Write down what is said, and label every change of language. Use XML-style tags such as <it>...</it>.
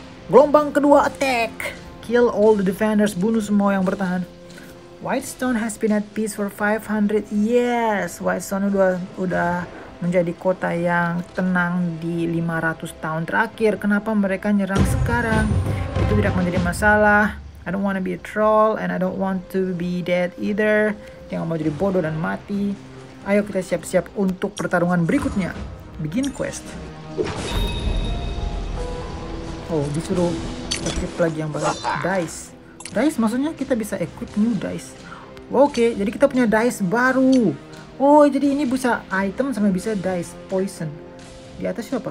<id>Gelombang kedua, attack.</id> <en>Kill all the defenders,</en> <id>bunuh semua yang bertahan.</id> <en>Whitestone has been at peace for 500 years.</en> <id>Whitestone udah menjadi kota yang tenang di 500 tahun terakhir. Kenapa mereka nyerang sekarang? Itu tidak menjadi masalah.</id> <en>I don't wanna be a troll and I don't want to be dead either.</en> <id>Dia gak mau jadi bodoh dan mati. Ayo kita siap-siap untuk pertarungan berikutnya.</id> <en>Begin quest.</en> <id>Oh, disuruh equip lagi yang banyak dice. Dice maksudnya kita bisa equip new dice. Oke, jadi kita punya dice baru. Oh, jadi ini bisa item sama bisa dice poison. Di atas itu apa?</id>